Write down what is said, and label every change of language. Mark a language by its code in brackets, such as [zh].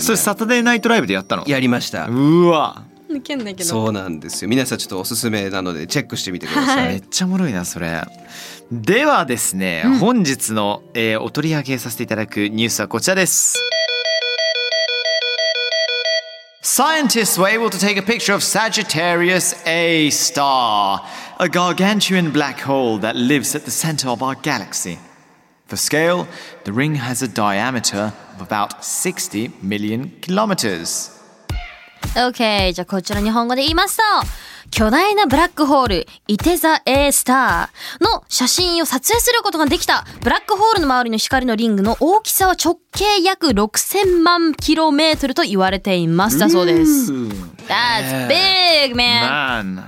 [ja] それサタデーナイトライブでやったの？やりました。うわ、抜けんだけど。そうなんですよ、皆さんちょっとおすすめなのでチェックしてみてください。めっちゃおもろいなそれ。ではですね、本日の、お取り上げさせていただくニュースはこちらです。 [en] Scientists were able to take a picture of Sagittarius A star, a gargantuan black hole that lives at the center of our galaxy. For scale, the ring has a diameter of about 60 million kilometers. [ja] Okay, じゃあこちら日本語で言いますと、巨大なブラックホール、いて座 A スターの写真を撮影することができた。ブラックホールの周りの光のリングの大きさは直径約6000万キロメートルと言われています。だそうです。 [en] That's big, man.